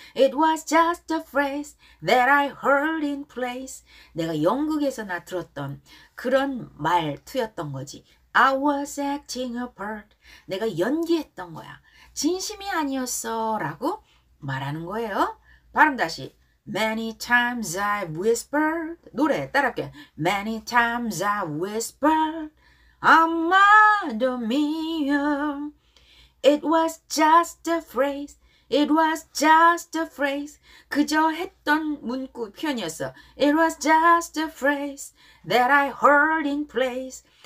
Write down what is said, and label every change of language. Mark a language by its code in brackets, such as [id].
[en] It was just a phrase that I heard in place. [ko] 내가 영국에서 나 들었던 그런 말투였던 거지. [en] I was acting a part. [ko] 내가 연기했던 거야. 진심이 아니었어 라고 말하는 거예요. 발음 다시. [en] Many times I've whispered. [ko] 노래 따라할게. [en] Many times I've whispered. Amado mio. It was just a phrase. It was just a phrase. [ko] 그저 했던 문구 표현이었어. [en] It was just a phrase that I heard in place.